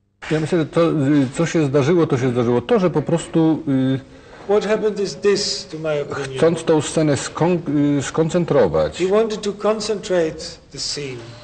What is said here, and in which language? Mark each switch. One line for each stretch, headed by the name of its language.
Polish: Ja myślę, że to, co się zdarzyło, to się zdarzyło. To, że po prostu
English: what happened is this, to my opinion.
Polish: Chcąc tą scenę skoncentrować,
English: you wanted to concentrate the scene.